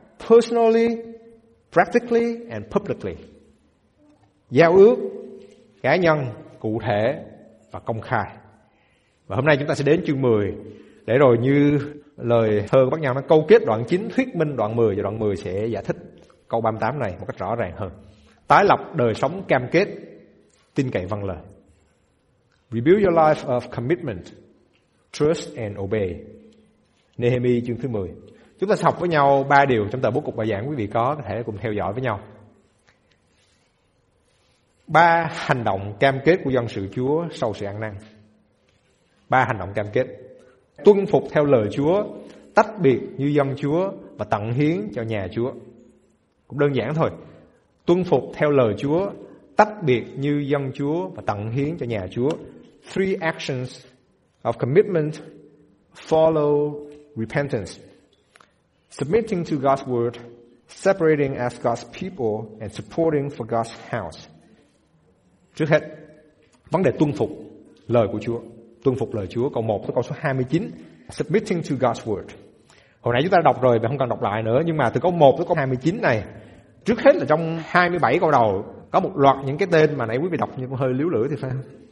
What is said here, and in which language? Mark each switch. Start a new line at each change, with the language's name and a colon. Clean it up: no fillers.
English: Personally, practically and publicly.
Vietnamese: Giao ước cá nhân, cụ thể và công khai. Và hôm nay chúng ta sẽ đến chương 10 để rồi như lời thơ của Bác Nhã nó câu kết đoạn 9 thuyết minh đoạn 10, và đoạn 10 sẽ giải thích câu 38 này một cách rõ ràng hơn. Tái lập đời sống cam kết, tin cậy vâng lời.
English: Rebuild your life of commitment, trust and obey.
Vietnamese: Nehemi chương thứ 10. Chúng ta sẽ học với nhau 3 điều trong tờ bố cục bài giảng, quý vị có thể cùng theo dõi với nhau. 3 hành động cam kết của dân sự Chúa sau sự ăn năn. 3 hành động cam kết: tuân phục theo lời Chúa, tách biệt như dân Chúa và tận hiến cho nhà Chúa. Cũng đơn giản thôi. Tuân phục theo lời Chúa, tách biệt như dân Chúa và tận hiến cho nhà Chúa.
English: 3 actions of commitment follow repentance: submitting to God's word, separating as God's people, and supporting for God's house.
Vietnamese: Trước hết, vấn đề tuân phục lời của Chúa. Tuân phục lời Chúa, câu 1 tới câu số 29.
English: Submitting to God's word.
Vietnamese: Hồi nãy chúng ta đã đọc rồi, không cần đọc lại nữa. Nhưng mà từ câu 1 tới câu 29 này, trước hết là trong 27 câu đầu, có một loạt những cái tên mà nãy quý vị đọc nhưng hơi líu lưỡi thì phải không?